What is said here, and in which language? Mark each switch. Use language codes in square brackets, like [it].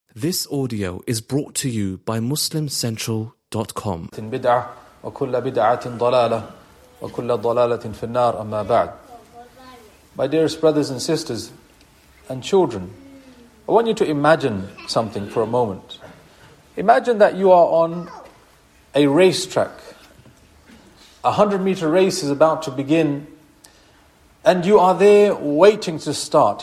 [en] This audio is brought to you by MuslimCentral.com. [ar] بدعة وكل بدعة ضلالة وكل ضلالة في النار أما بعد. [en] My dearest brothers and sisters and children, I want you to imagine something for a moment. Imagine that you are on a racetrack. A 100-meter race is about to begin, and you are there waiting to start.